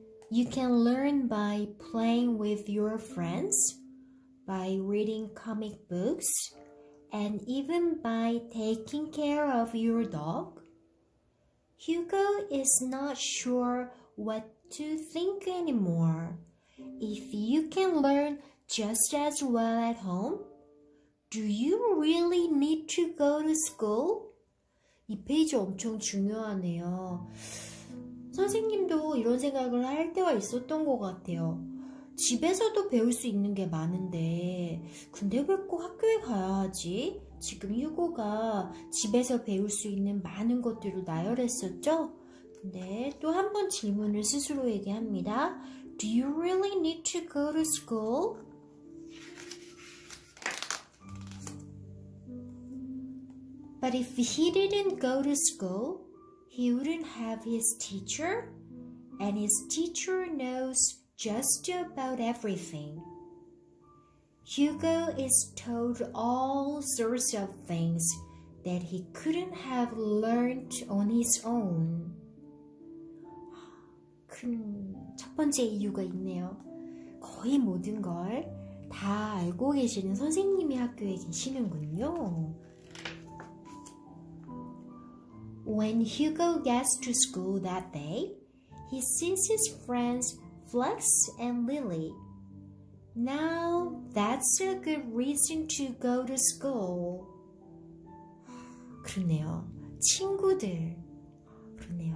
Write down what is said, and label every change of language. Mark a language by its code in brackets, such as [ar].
[en] You can learn by playing with your friends, by reading comic books, and even by taking care of your dog. Hugo is not sure what to think anymore. If you can learn just as well at home, do you really need to go to school? [ko] 이 페이지 엄청 중요하네요. 선생님도 이런 생각을 할 때가 있었던 것 같아요. 집에서도 배울 수 있는 게 많은데, 근데 왜꼭 학교에 가야 하지? 지금 휴고가 집에서 배울 수 있는 많은 것들을 나열했었죠? 근데 또 한 번 질문을 스스로에게 합니다. [en] Do you really need to go to school? But if he didn't go to school, he wouldn't have his teacher, and his teacher knows just about everything. Hugo is told all sorts of things that he couldn't have learned on his own. [ko] 큰첫 번째 이유가 있네요. 거의 모든 걸 다 알고 계시는 선생님이 학교에 계시는군요. [en] When Hugo gets to school that day, he sees his friends Flex and Lily. Now that's a good reason to go to school. [ko] 그러네요. 친구들. 그러네요.